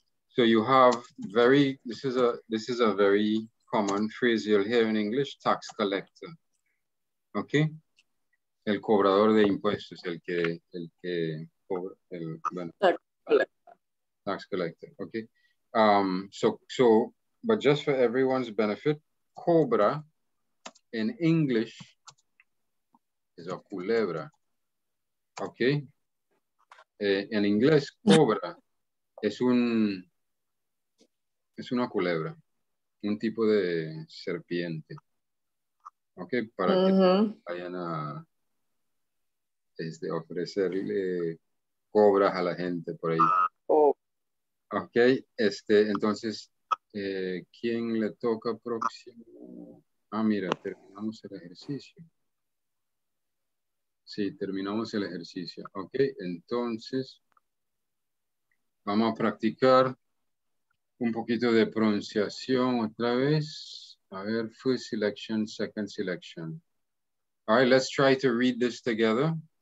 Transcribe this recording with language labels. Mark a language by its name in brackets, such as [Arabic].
[English] So you have very, this is a very common phrase you'll hear in English, tax collector. [Spanish] Okay, el cobrador de impuestos, el que cobra, el, bueno, [English] tax collector. Okay, so, but just for everyone's benefit, cobra in English is a culebra. [Spanish] Okay, en inglés cobra es una culebra, un tipo de serpiente. Okay, para que vayan a ofrecerle cobras a la gente por ahí. Oh. Okay, entonces, ¿quién le toca próximo? Ah, mira, terminamos el ejercicio. Sí, terminamos el ejercicio. Okay, entonces, vamos a practicar un poquito de pronunciación otra vez. A ver, [English] first selection, second selection. All right, let's try to read this together.